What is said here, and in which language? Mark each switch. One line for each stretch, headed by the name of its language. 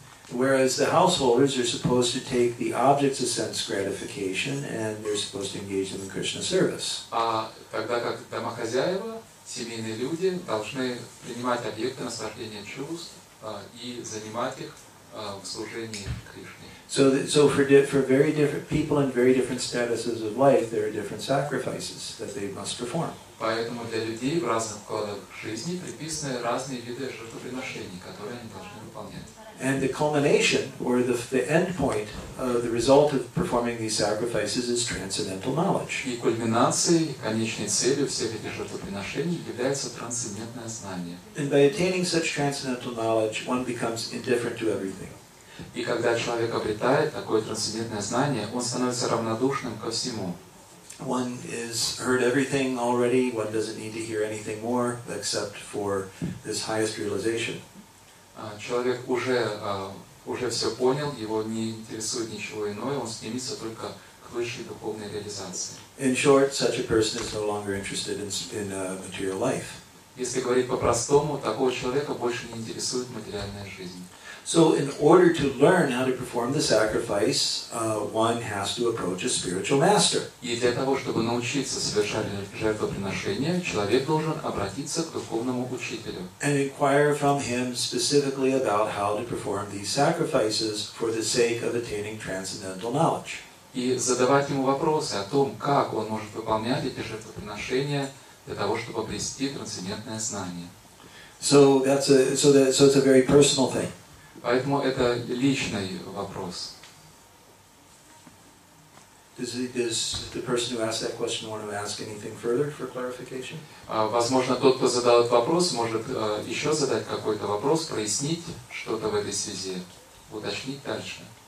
English: Whereas the householders are supposed to take the objects of sense gratification and they're supposed to engage them in Krishna service.
Russian: А тогда как домохозяева, семейные люди должны принимать объекты наслаждения чувств и занимать их в служении Кришне.
English: So for very different people in very different statuses of life, there are different sacrifices that they must perform.
Russian: Поэтому для людей в разных укладах жизни приписаны разные виды жертвоприношений, которые они должны выполнять.
English: And the culmination, or the end point, the result of performing these sacrifices is transcendental knowledge.
Russian: И кульминацией, конечной целью всех этих жертвоприношений является трансцендентное знание.
English: And by attaining such transcendental knowledge, one becomes indifferent to everything.
Russian: И когда человек обретает такое трансцендентное знание, он становится равнодушным ко всему.
English: One has heard everything already, one doesn't need to hear anything more, except for this highest realization.
Russian: Человек уже все понял, его не интересует ничего иное, он стремится только к высшей духовной реализации.
English: In short, such a person is no longer interested in material life.
Russian: Если говорить по-простому, такого человека больше не интересует материальная жизнь.
English: So in order to learn how to perform the sacrifice, one has to approach a spiritual master.
Russian: И для того, чтобы научиться совершать жертвоприношение, человек должен обратиться к духовному учителю.
English: And inquire from him specifically about how to perform these sacrifices for the sake of attaining transcendental knowledge.
Russian: И задавать ему вопросы о том, как он может выполнять эти жертвоприношения для того, чтобы обрести трансцендентное знание.
English: So it's a very personal thing.
Russian: Поэтому это личный вопрос.
English: Does the person who asked that question want to ask anything further for clarification?
Russian: Возможно, тот, кто задал этот вопрос, может еще задать какой-то вопрос, прояснить что-то в этой связи, уточнить дальше.